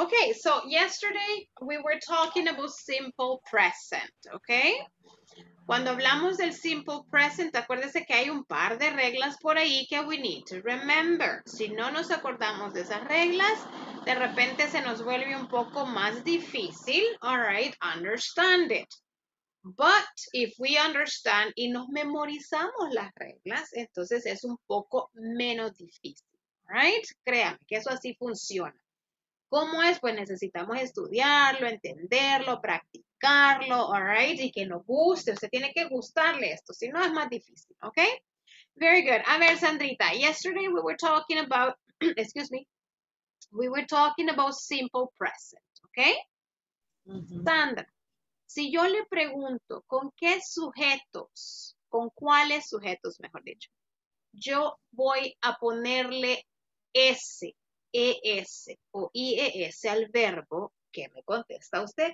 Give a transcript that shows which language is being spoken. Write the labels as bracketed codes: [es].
[en] Okay, so yesterday we were talking about simple present, okay? [es] Cuando hablamos del simple present, acuérdese que hay un par de reglas por ahí que [en] we need to remember. [es] Si no nos acordamos de esas reglas, de repente se nos vuelve un poco más difícil. [en] All right, understand it. But if we understand [es] y nos memorizamos las reglas, entonces es un poco menos difícil. Right? Créame que eso así funciona. ¿Cómo es? Pues necesitamos estudiarlo, entenderlo, practicarlo, all right? Y que nos guste. Usted tiene que gustarle esto, si no es más difícil, ¿ok? [en] Very good. [es] A ver, [en] Sandrita, yesterday we were talking about, excuse me, we were talking about simple present, ¿ok? Mm-hmm. [es] Sandra, si yo le pregunto con qué sujetos, con cuáles sujetos, mejor dicho, yo voy a ponerle S, ES o IES al verbo, ¿qué me contesta usted?